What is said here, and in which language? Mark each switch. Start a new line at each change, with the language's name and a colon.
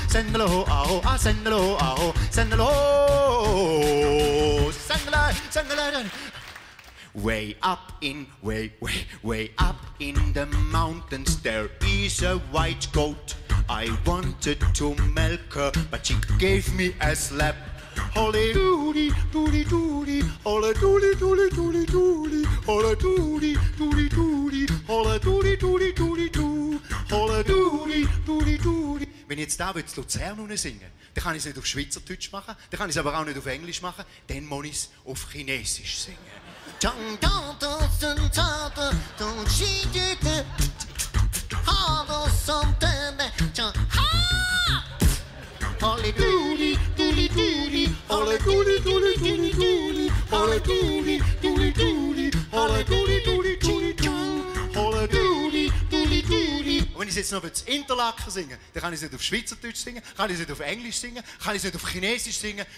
English: Sendele ho, aho, ah, sendele ho, aho. Sendele ho, sendele. Way up in, way, way, way up in the mountains, there is a white goat. I wanted to milk her, but she gave me a slap. Holy doody, doody, doody, holy doody, doody, doody, doody, holy doody, doody, doody, holy doody, doody, doody, doody, holy doody, doody, doody.
German: Wenn ich jetzt da würde, Luzern unten singen, dann kann ich es nicht auf Schweizerdeutsch machen, dann kann ich es aber auch nicht auf Englisch machen, dann muss ich es auf Chinesisch singen. Wenn ich jetzt noch über das Interlaken singe, dann kann ich es nicht auf Schweizerdeutsch singen, kann ich es nicht auf Englisch singen, kann ich es nicht auf Chinesisch singen.